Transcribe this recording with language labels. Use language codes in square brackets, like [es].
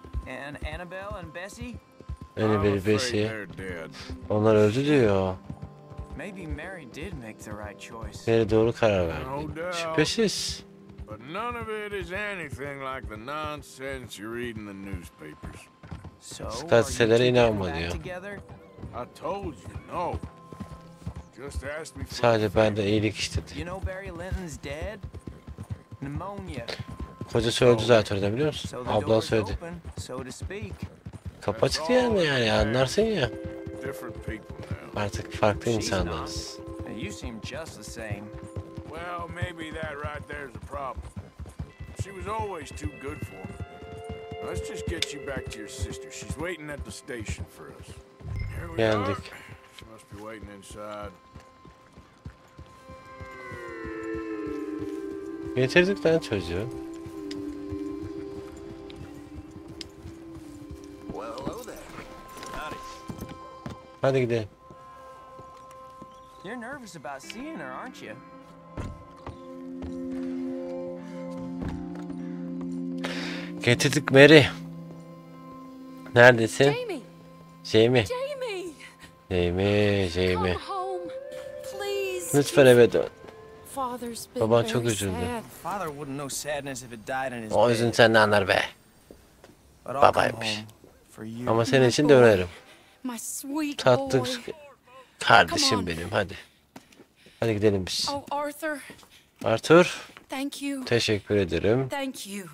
[en] And Annabelle and Bessie? Annabelle and Bessie. They're dead. [tr] Onlar öldü diyor. [en] Maybe Mary did make the right choice. [tr] Mary doğru karar verdi. Şüphesiz. [en] But none of it is anything like the nonsense you read in the newspapers. [tr] Gazetelere inanma diyor. [en] I told you no. Just ask me. [tr] Sadece ben de iyilik istedi. [en] You know Barry Lyndon's dead. Pneumonia. [tr] Kocası öldü zaten de biliyor musun? Abla söyledi. [en] So to speak. [tr] Kapa çıktı yani, yani anlarsın ya. [en] Different people. [tr] Artık farklı insanlarız. [en] You seem just the same. Well, maybe that right there's a problem. She was always too good for me. Let's just get you back to your sister. She's waiting at the station for us. Here we are. She must be waiting inside. [tr] Getirdik lan çocuğu. [en] Well, hello there. Howdy. [tr] Hadi gidelim. [en] You're nervous about seeing her, aren't you? [tr] Getirdik Mary. Neredesin? [en] Jamie. Jamie. Come home, please. [tr] Lütfen eve dön. [en] Father's been [tr] Baban çok üzüldü. [en] Father wouldn't know sadness if it died in his bed. [tr] O yüzden sen ne anlar be? Babaymış. Ama senin için de ölerim. [en] My sweet [tr] tatlı kardeşim benim, hadi. Hadi gidelim biz. [en] Arthur. Thank you. [tr] Teşekkür ederim. [en] Thank you.